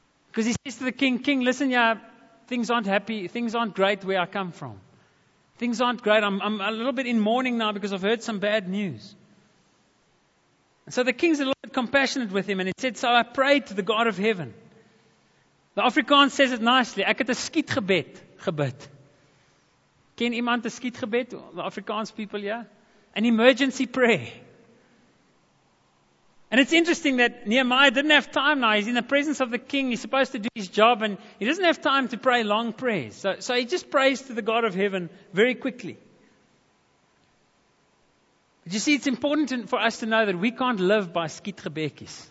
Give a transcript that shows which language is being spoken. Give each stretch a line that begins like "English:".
English: Because he says to the king, King, listen, yeah, things aren't happy. Things aren't great where I come from. Things aren't great. I'm a little bit in mourning now because I've heard some bad news. And so the king's a little bit compassionate with him. And he said, so I prayed to the God of heaven. The Afrikaans says it nicely.
Afrikaans: Ek het 'n skietgebed gebid. Ken iemand 'n skietgebed?
English: The Afrikaans people, yeah? An emergency prayer. And it's interesting that Nehemiah didn't have time now. He's in the presence of the king. He's supposed to do his job and he doesn't have time to pray long prayers. So he just prays to the God of heaven very quickly. But you see, it's important for us to know that we can't live by skietgebekies.